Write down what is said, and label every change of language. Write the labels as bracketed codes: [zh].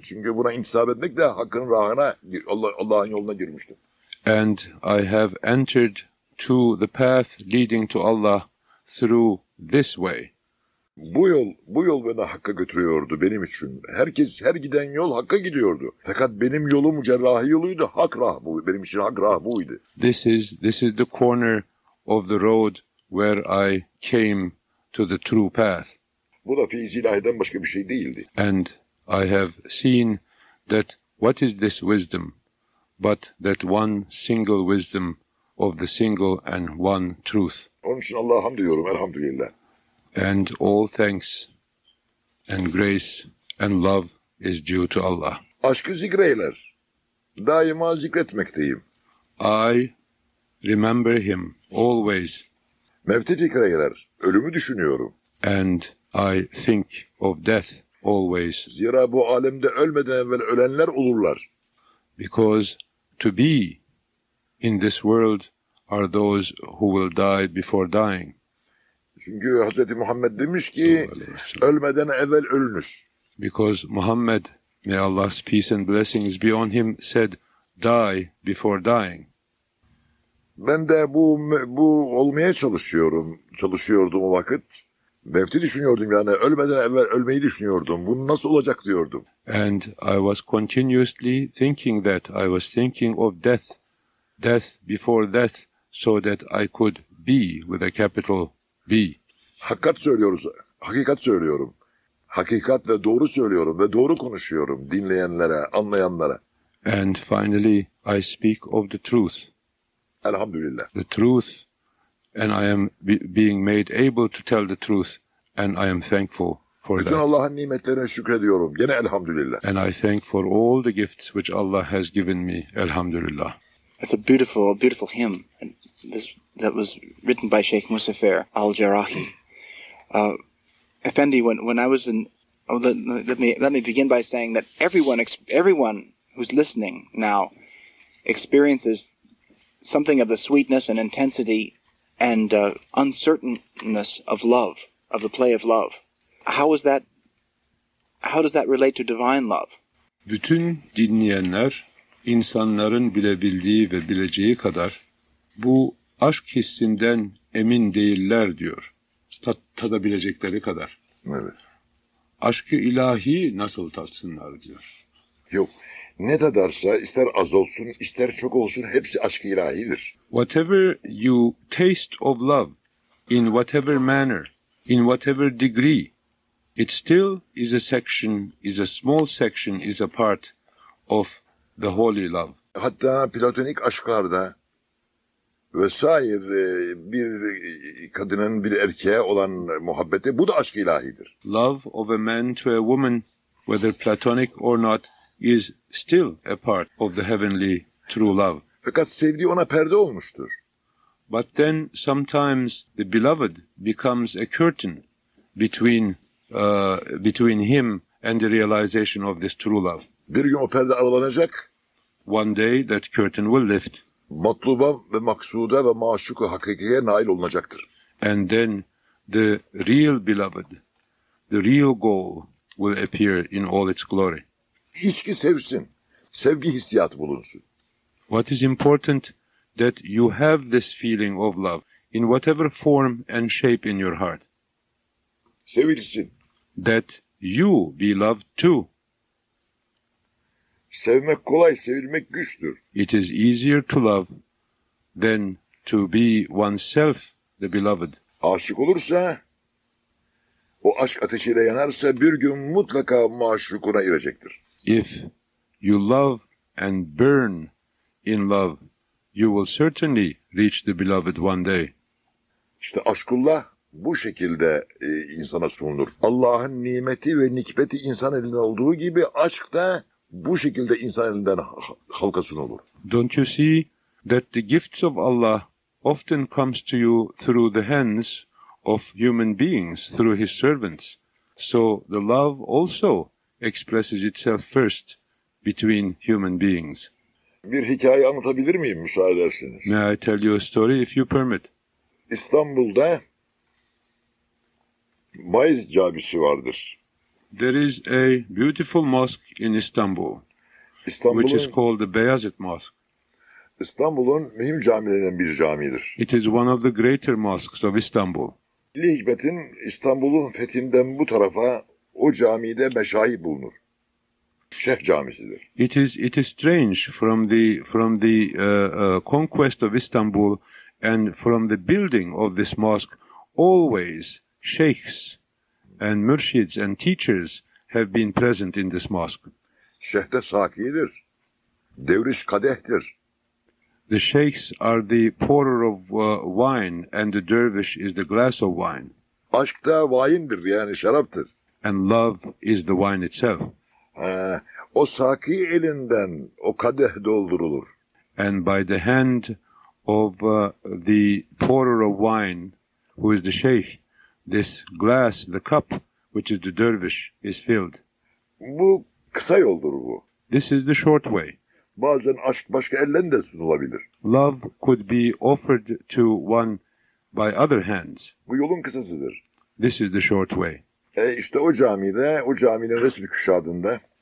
[tr] Çünkü buna intisap etmek de Hakk'ın rahına, Allah'ın yoluna girmiştim. [en] And I have entered to the path leading to Allah through this way. [tr] Bu yol beni Hakk'a götürüyordu benim için. Herkes, her giden yol Hakk'a gidiyordu. Fakat benim yolum cerrahi yoluydu. Hak rah bu. Benim için Hak rah buydu. [en] This is the corner of the road where I came to the true path. [tr] Bu da fiiz-i ilahiden başka bir şey değildi. [en] And I have seen that what is this wisdom but that one single wisdom of the single and one truth. [tr] Onun için Allah'a hamd ediyorum. Elhamdülillah. [en] And all thanks and grace and love is due to Allah. [tr] Aşkı zikreyler. Daima zikretmekteyim. [en] I remember him always. [tr] Mevti zikreyler. Ölümü düşünüyorum. [en] And I think of death always. [tr] Zira bu alemde ölmeden evvel ölenler olurlar. [en] Because to be in this world are those who will die before dying. [tr] Çünkü Hazreti Muhammed demiş ki ölmeden evvel ölünüz. [en] Because Muhammed, may Allah's peace and blessings be on him, said die before dying. [tr] Ben de bu olmaya çalışıyorum. Çalışıyordum o vakit. Mevti düşünüyordum yani ölmeden evvel ölmeyi düşünüyordum. Bu nasıl olacak diyordum. [en] And I was continuously thinking that I was thinking of death. Death before death so that I could be with a capital B. [tr] Hakikat söylüyoruz. Hakikat söylüyorum. Hakikat ve doğru söylüyorum ve doğru konuşuyorum dinleyenlere, anlayanlara. [en] And finally I speak of the truth. [tr] Elhamdülillah. [en] The truth and I am being made able to tell the truth and I am thankful for [tr] bütün [en] that. [tr] Bütün Allah'ın nimetlerine şükrediyorum. Gene elhamdülillah. [en] And I thank for all the gifts which Allah has given me. [tr] Elhamdülillah. [en] It's a beautiful, beautiful hymn. And this that was written by Sheikh Muzaffer al-Jarrahi. Effendi, when I was in... Let me begin by saying that everyone who's listening now experiences something of the sweetness and intensity and uncertainness of love, of the play of love. How does that relate to divine love? [tr] Bütün dinleyenler, insanların bilebildiği ve bileceği kadar bu aşk hissinden emin değiller diyor. Tadabilecekleri kadar. Evet. Aşk-ı ilahi nasıl tatsınlar diyor. Yok. Ne tadarsa ister az olsun, ister çok olsun hepsi aşk-ı ilahidir. [en] Whatever you taste of love, in whatever manner, in whatever degree, it still is a section, is a small section, is a part of the holy love. [tr] Hatta platonik aşklarda vesaire bir kadının bir erkeğe olan muhabbeti bu da aşk-ı ilahidir. [en] Love of a man to a woman, whether platonic or not, is still a part of the heavenly true love. [tr] Fakat sevdiği ona perde olmuştur. [en] But then sometimes the beloved becomes a curtain between him and the realization of this true love. [tr] Bir gün o perde aralanacak. [en] One day that curtain will lift. [tr] Matluba ve maksuda ve maşuku hakikiye nail olunacaktır. [en] And then the real beloved, the real goal will appear in all its glory. [tr] İşki sevsin, sevgi hissiyatı bulunsun. [en] What is important that you have this feeling of love in whatever form and shape in your heart. [tr] Sevilsin. [en] That you be loved too. [tr] Sevmek kolay, sevilmek güçtür. [en] It is easier to love than to be oneself the beloved. [tr] Aşık olursa, o aşk ateşiyle yanarsa bir gün mutlaka maşukuna erecektir. [en] If you love and burn in love, you will certainly reach the beloved one day. [tr] İşte aşkullah bu şekilde insana sunulur. Allah'ın nimeti ve nikbeti insan elinde olduğu gibi aşk da bu şekilde insan elinden halka sunulur. [en] Don't you see that the gifts of Allah often comes to you through the hands of human beings, through his servants? So the love also expresses itself first between human beings. [tr] Bir hikaye anlatabilir miyim, müsaade ederseniz? [en] May I tell you a story if you permit? [tr] İstanbul'da Maiz Camisi vardır. [en] There is a beautiful mosque in Istanbul, which is called the Beyazıt Mosque. [tr] İstanbul'un mühim camilerinden bir camidir. [en] It is one of the greater mosques of Istanbul. [tr] İlahi Hikmet'in İstanbul'un fethinden bu tarafa o camide meşayih bulunur. Şeyh camisidir. [en] It is strange from the conquest of Istanbul and from the building of this mosque, always sheikhs and mürşids and teachers have been present in this mosque. [tr] Şeyh de sakidir. Devriş kadehtir. [en] The sheikhs are the pourer of wine and the dervish is the glass of wine. [tr] Aşk da vayindir, yani şaraptır. [en] And love is the wine itself. [tr] O saki elinden o kadeh doldurulur. [en] And by the hand of the pourer of wine, who is the sheikh, this glass, the cup, which is the dervish, is filled. [tr] Bu kısa yoldur bu. [en] This is the short way. [tr] Bazen aşk başka ellerin de sunulabilir. [en] Love could be offered to one by other hands. [tr] Bu yolun kısasıdır. [en] This is the short way. [tr] İşte o camide, o caminin resmi küşadında.